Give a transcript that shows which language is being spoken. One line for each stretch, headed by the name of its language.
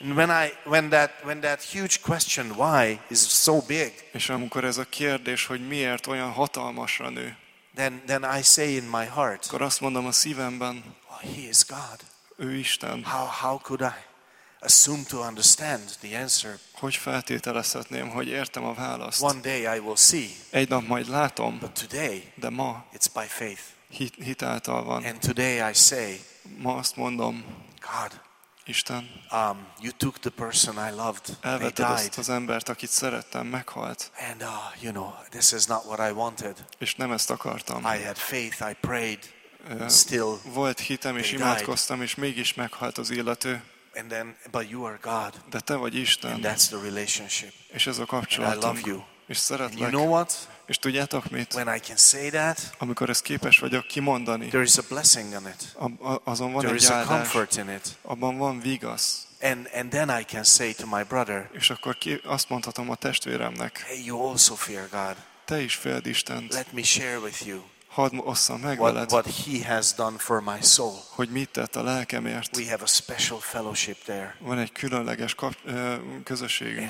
English: When that huge question why is so big.
Hungarian: És amikor ez a kérdés, hogy miért olyan hatalmasra nő.
English: Then I say in my heart.
Hungarian: Akkor azt mondom a szívemben.
English: Oh, he is God.
Hungarian: Ő Isten.
English: How could I assume to understand the answer?
Hungarian: Hogy feltételezhetném, hogy értem a választ?
English: One day I will see.
Hungarian: Egy nap majd látom.
English: But today.
Hungarian: De ma.
English: It's by faith.
Hungarian: Hitáltal van.
English: And today I say.
Hungarian: Ma azt mondom.
English: God.
Hungarian: Isten.
English: You took the person I loved.
Hungarian: Elvetted azt az embert, akit szerettem, meghalt.
English: And you know, this is not what I wanted.
Hungarian: És nem ezt akartam.
English: I had faith, I prayed. Still.
Hungarian: Volt hitem és imádkoztam, és mégis meghalt az illető.
English: And then, but you are God.
Hungarian: De te vagy Isten.
English: And that's the relationship.
Hungarian: És ez a kapcsolatunk.
English: And I love you.
Hungarian: És szeretlek.
English: And you know what?
Hungarian: És tudjátok mit?
English: When I can say that,
Hungarian: amikor ezt képes vagyok kimondani,
English: there is a blessing in it.
Hungarian: Azon van
English: there
Hungarian: egy áldás.
English: There is a comfort in it.
Hungarian: Abban van vigasz.
English: And then I can say to my brother,
Hungarian: és akkor azt mondhatom a testvéremnek,
English: hey, you also fear God.
Hungarian: Te is féld Istent.
English: Let me share with you.
Hungarian: Hadd osszam meg veled,
English: what he has done for my soul.
Hungarian: Hogy mit tett a lelkemért.
English: We have a special fellowship there.
Hungarian: Van egy különleges közösségünk